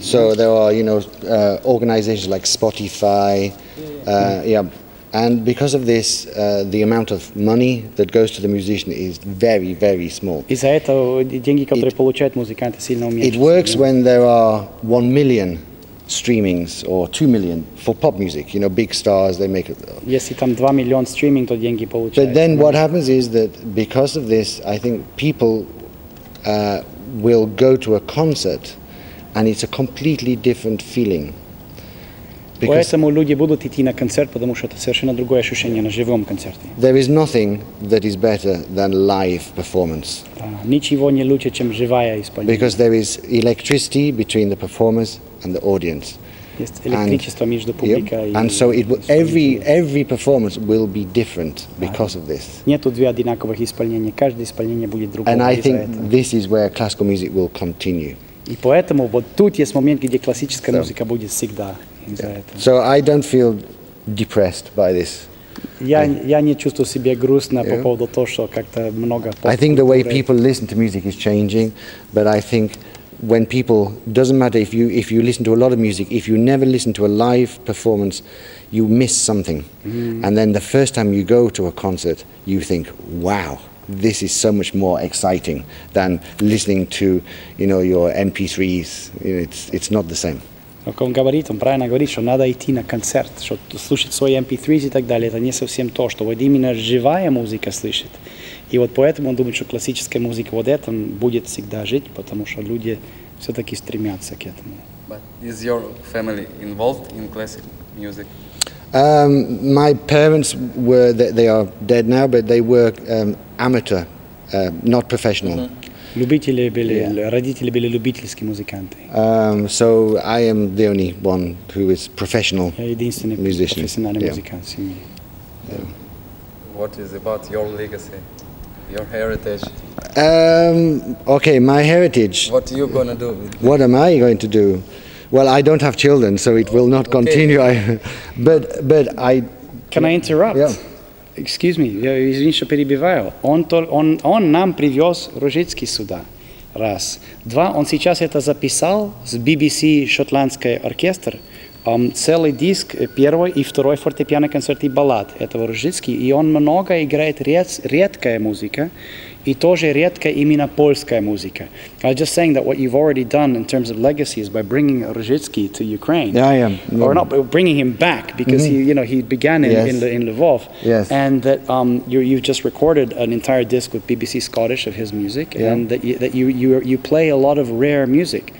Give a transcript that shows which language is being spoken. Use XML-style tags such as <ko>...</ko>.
<en>So there are, you know, organizations like Spotify. And because of this, the amount of money that goes to the musician is very, very small.</en> <ru>Из-за этого деньги, которые получают музыканты, сильно уменьшаются.</ru> <en>It works when there are 1 million streamings or 2 million for pop music. You know, big stars, they make it.</en> <ru>Если там 2 миллиона streaming, то деньги получают.</ru> <en>But then what happens is that because of this, I think people will go to a concert, and it's a completely different feeling.</en> <ru>Поэтому люди будут идти на концерт, потому что это совершенно другое ощущение на живом концерте.</ru> <en>There is nothing that is better than live performance.</en> <ru>Ничего не лучше, чем живая исполнение.</ru> <en>Because there is electricity between the performers and the audience.</en> <ru>Есть электричество между публикой</ru> <en>and so it will, every performance will be different because of this.</en> <ru>Нету две одинаковых исполнения, каждое исполнение будет другое.</ru> <en>And I think this is where classical music will continue.</en> <ru>И поэтому вот тут есть момент, где классическая музыка будет всегда из-за этого.</ru> <en>So I don't feel depressed by this.</en> <ru>Я не чувствую себя грустно по поводу того, что как-то много.</ru> <en>I think the way people listen to music is changing, but I think when people, doesn't matter if you listen to a lot of music, if you never listen to a live performance, you miss something. And then the first time you go to a concert, you think, wow, this is so much more exciting than listening to, you know, your MP3s. It's not the same.</en> <ru>Как он говорит, он правильно говорит, что надо идти на концерт, что слушать свои MP3s и так далее, это не совсем то, что вот именно живая музыка слышит. И вот поэтому он думает, что классическая музыка вот это будет всегда жить, потому что люди все-таки стремятся к этому.</ru> <en>But is your family involved in classic music? My parents were, they are dead now, but they were amateur, not professional.</en> <ru>Любители были, yeah. родители были любительские музыканты.</ru> <en>So I am the only one who is professional musician.</en> <ru>Я единственный</ru> <en>musician.</en> <ru>Профессиональный yeah. музыкант в семье.</ru> <en>Yeah. What is about your legacy, your heritage? Okay, my heritage. What are you going to do? With what am I going to do? Well, I don't have children, so it will not continue. Okay. But I. Can I interrupt? Yeah. Excuse me,</en> <ru>я извини, что перебиваю. Он нам привез Ружицкий сюда. Раз. Два, он сейчас это записал с BBC Шотландский оркестр. Целый диск первой и второй фортепиано концерт и баллад этого Ружицкий. И он много играет редкая музыка. И тоже редко именно польская музыка.</ru> <en>I'm just saying that what you've already done in terms of legacy is by bringing Ружицкий to Ukraine. Yeah, I am. Or not bringing him back because mm-hmm. he began in yes. in Lvov. Yes. And that you've just recorded an entire disc with BBC Scottish of his music yeah. and that you play a lot of rare music.</en>